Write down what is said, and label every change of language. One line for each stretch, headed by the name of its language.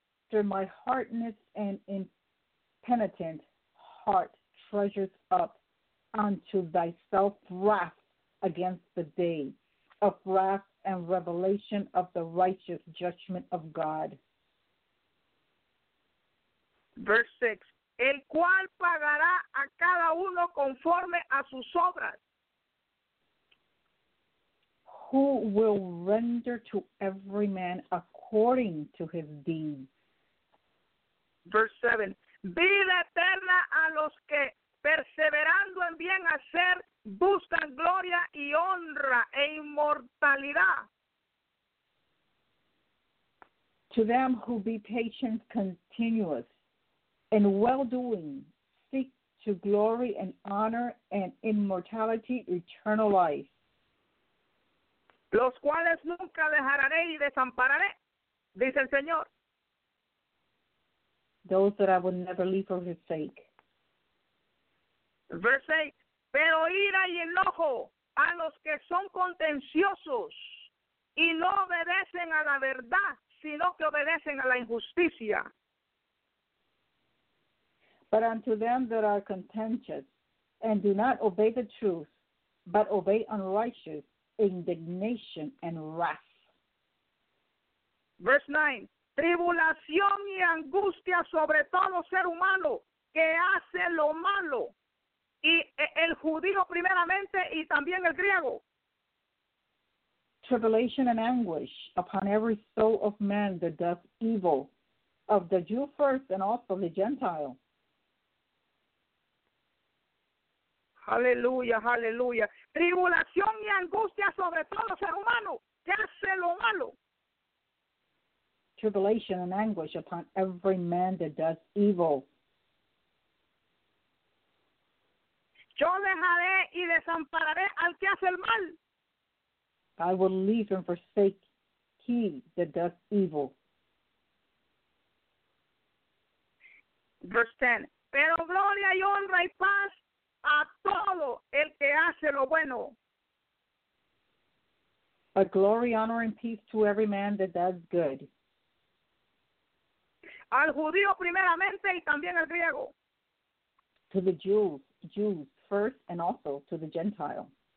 English: Through my hardness and impenitent heart treasures up unto thyself wrath against the day of wrath and revelation of the righteous judgment of God. Verse 6.
Spanish: El cual pagará a cada uno conforme a sus obras.
English: Who will render to every man according to his deeds. Verse 7.
Spanish: Vida eterna a los que perseverando en bien hacer buscan gloria y honra e inmortalidad.
English: To them who be patient continuous and well-doing, seek to glory and honor and immortality, eternal life.
Spanish: Los cuales nunca dejaré y desampararé, dice el Señor.
English: Those that I will never leave for his sake. Verse 8.
Spanish: Pero ira y enojo a los que son contenciosos y no obedecen a la verdad, sino que obedecen a la injusticia.
English: But unto them that are contentious and do not obey the truth, but obey unrighteous indignation and wrath. Verse 9.
Spanish: Tribulación y angustia sobre todo ser humano que hace lo malo. Y el judío primeramente y también el griego.
English: Tribulation and anguish upon every soul of man that does evil, of the Jew first and also the Gentile.
Spanish: Aleluya, aleluya. Tribulación y angustia sobre todo ser humano que hace lo malo.
English: Tribulation and anguish upon every man that does evil.
Spanish: Yo dejaré y desampararé al que hace el mal.
English: I will leave and forsake he that does evil. Verse 10.
Spanish: Pero gloria y honra y paz a todo el que hace lo bueno.
English: A glory, honor, and peace to every man that does good.
Spanish: Al judío primeramente y también al griego.
English: To the Jews. First and also to the Gentile.